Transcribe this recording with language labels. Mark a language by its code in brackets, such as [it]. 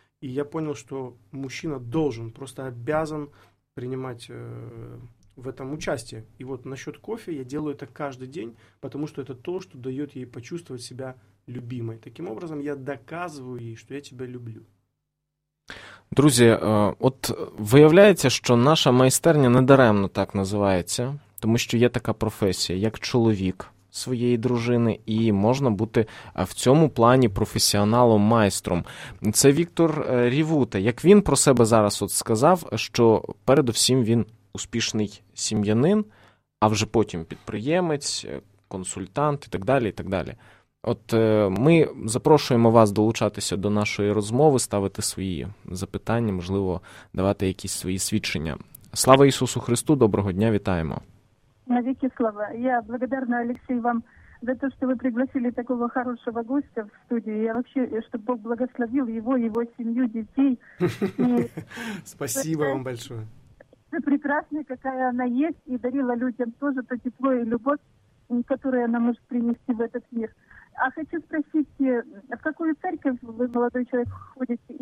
[ru] И я понял, что мужчина должен, просто обязан принимать в этом участие. И вот насчет кофе я делаю это каждый день, потому что это то, что дает ей почувствовать себя любимой. Таким образом, я доказываю ей, что я тебя люблю. [uk] Друзі, от виявляється, що наша майстерня не даремно так називається, тому що є така професія, як чоловік своєї дружини, і можна бути в цьому плані професіоналом-майстром. Це Віктор Рівута. Як він про себе зараз от сказав, що передовсім він успішний сім'янин, а вже потім підприємець, консультант і так далі, і так далі. От ми запрошуємо вас долучатися до нашої розмови, ставити свої запитання, можливо, давати якісь свої свідчення. Слава Ісусу Христу, доброго дня, вітаємо. Навіки слава. [ru] Я благодарна, Олексій, вам за те, що ви пригласили такого хорошого гостя в студію. [uk] Я взагалі, щоб Бог благословив його, його сім'ю, дітей. [ru] Спасибо вам большое. [uk] Ви прекрасна, яка вона є, і дарила людям теж то тепло і любов, яку вона може принести в цей світ. [ru] А хочу спросить, в какую церковь вы, молодой человек, ходите?